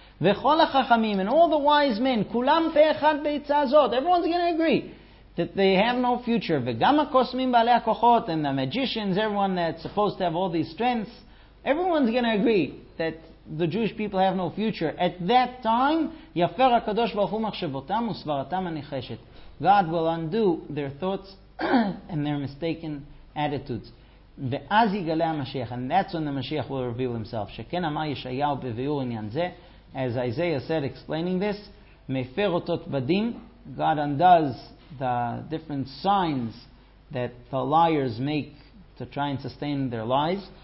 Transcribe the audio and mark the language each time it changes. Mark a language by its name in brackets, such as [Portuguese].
[Hebrew] וכל החכמים [English] and all the wise men, [Hebrew] כולם פה אחד בעצה הזאת. [English] Everyone's going to agree that they have no future. [Hebrew] וגם הקוסמים בעלי הכוחות [English] and the magicians, everyone that's supposed to have all these strengths, everyone's going to agree that the Jewish people have no future. At that time, [Hebrew] יפר הקדוש ברוך הוא מחשבותם וסברתם הנחשת. [English] God will undo their thoughts and their mistaken attitudes. [Hebrew] ואז יגלה המשיח, [English] and that's when the Mashiach will reveal himself. [Hebrew] שכן אמר ישעיהו בביאור עניין זה, [English] as Isaiah said, explaining this, [Hebrew] Mefer otot vadim, [English] God undoes the different signs that the liars make to try and sustain their lies.